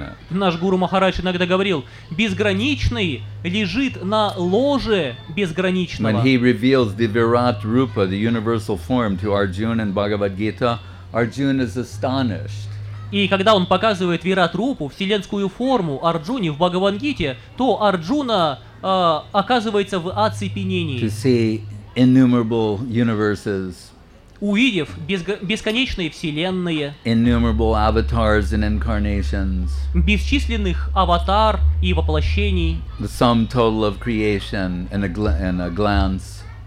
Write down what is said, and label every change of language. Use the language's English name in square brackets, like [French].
[Russian] Наш Гуру Махарадж иногда говорил: «Безграничный лежит на ложе безграничного». [English] When he reveals the Virat Rupa, the universal form, to Arjuna and Bhagavad-gita, Arjuna is astonished. [Russian] И когда он показывает Вират-рупу, вселенскую форму Арджуне в Бхагавад-гите, то Арджуна оказывается в оцепенении. [English] To see innumerable universes, [Russian] увидев бесконечные вселенные, [English] innumerable avatars and incarnations, [Russian] бесчисленных аватар и воплощений, [English] the sum total of creation in a glance.